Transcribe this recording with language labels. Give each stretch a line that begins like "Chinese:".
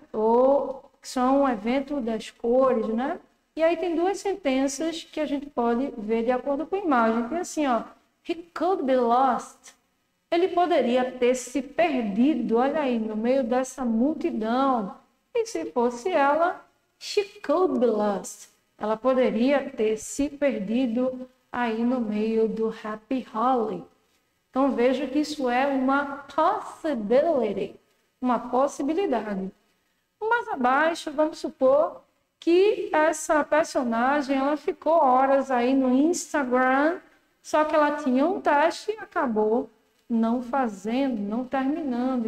Portuguese: Ou que são um evento das cores, né? E aí tem duas sentenças que a gente pode ver de acordo com a imagem. Tem assim, ó:
English: He could be lost.
Portuguese: Ele poderia ter se perdido, olha aí, no meio dessa multidão. E se fosse ela,
English: she could be lost.
Portuguese: Ela poderia ter se perdido aí no meio do Happy Holly. Então veja que isso é uma possibility, uma possibilidade. Mas abaixo, vamos supor que essa personagem ela ficou horas aí no Instagram, só que ela tinha um teste e acabou não fazendo, não terminando.